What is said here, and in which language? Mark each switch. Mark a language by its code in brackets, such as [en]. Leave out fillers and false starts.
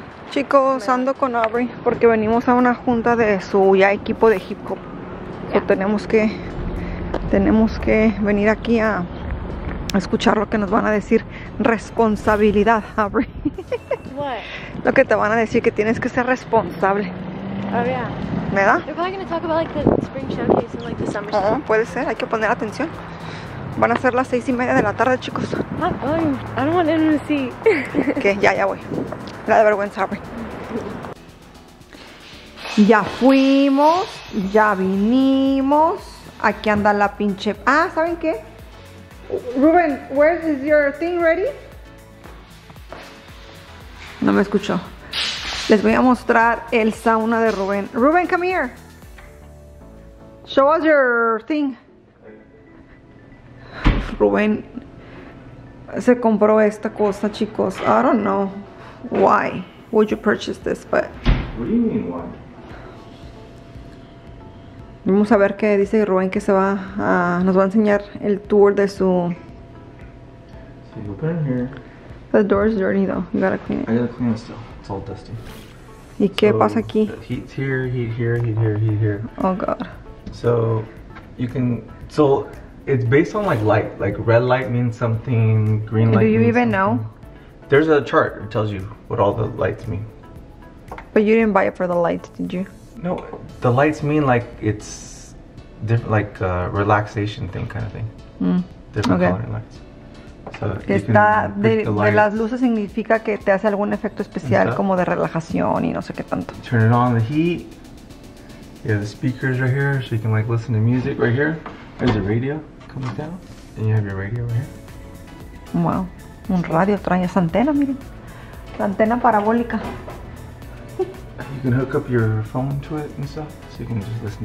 [es] Chicos, ando con Aubrey porque venimos a una junta de su ya equipo de hip hop. [en] Yeah. [es] Tenemos que venir aquí a escuchar lo que nos van a decir. Responsabilidad, Aubrey. ¿Qué? Lo que te van a decir, que tienes que ser responsable. [en] Oh, yeah. [es] ¿Me da? [en] They're probably going to talk about like the spring showcase and like the summer. [es] Puede ser, hay que poner atención. Van a ser las 6:30 de la tarde, chicos. [en] I don't want anyone to see. [es] ¿Qué? Ya, ya voy. La de vergüenza, güey. Ya fuimos, ya vinimos. Aquí anda la pinche. Ah, ¿saben qué? [en] Ruben, where is your thing ready? [es] No me escuchó. Les voy a mostrar el sauna de Rubén. Rubén, [en] come here. Show us your thing. [es] Rubén se compró esta cosa, chicos. [en] I don't know why would you purchase this, but... What do you mean, why? Vamos a ver qué dice Rubén, que se va a... Nos va a enseñar el tour de su... So you open it here. The door is dirty, though. You gotta clean it. I gotta clean it still. It's all dusty. [es] ¿Y qué pasa aquí? [en] Heat's here, heat here, heat here, heat here. Oh god. So you can, so it's based on like light, like red light means something, green light. Do you means even something. Know? There's a chart that tells you what all the lights mean. But you didn't buy it for the lights, did you? No, the lights mean like it's different, like a relaxation thing kind of thing. Different okay. Color lights. So [es] está de las luces significa que te hace algún efecto especial como de relajación y no sé qué tanto. [en] Turn it on the heat. You have the speakers right here, so you can like listen to music right here. There's a radio coming down, and you have your radio right here. [es] Wow. Un radio trae esa antena, miren. La antena parabólica. [en] You can hook up your phone to it and stuff, so you can just listen to